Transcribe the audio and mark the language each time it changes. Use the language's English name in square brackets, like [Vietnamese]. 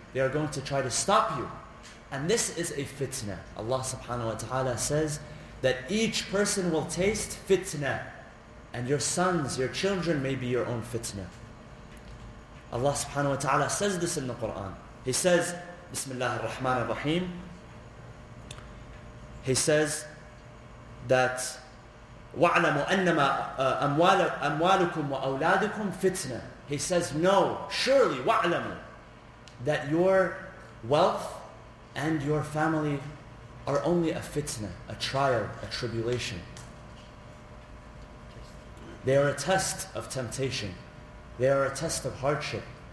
[English] They are going to try to stop you. And this is a fitna. Allah subhanahu wa ta'ala says that each person will taste fitna. And your sons, your children may be your own fitna. Allah subhanahu wa ta'ala says this in the Quran. He says, [Arabic] Bismillah ar-Rahman ar-Rahim. [English] He says that [Arabic] وَعْلَمُ أَنَّمَا أَمْوَالُكُمْ وَأَوْلَادُكُمْ فِتْنَةً. [English] He says, no, surely وَعْلَمُ, that your wealth and your family are only a fitna, a trial, a tribulation. They are a test of temptation. They are a test of hardship.